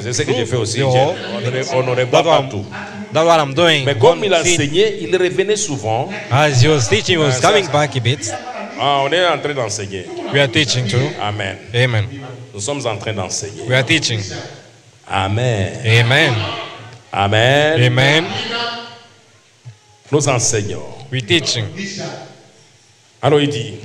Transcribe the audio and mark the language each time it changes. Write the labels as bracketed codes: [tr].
[fr] C'est ce que j'ai fait aussi. On ne revoit pas tout. [en] That's what I'm doing. [fr] Mais comme il enseignait, il revenait souvent. [en] As he was teaching, he was coming back a bit. [fr] Ah, on est en train d'enseigner. [en] We are teaching too. Amen. Amen. [fr] Nous sommes en train d'enseigner. [en] We are teaching. Amen. Amen. Amen. Amen. [fr] Nous enseignons. [en] We teaching. [fr] Alors il dit.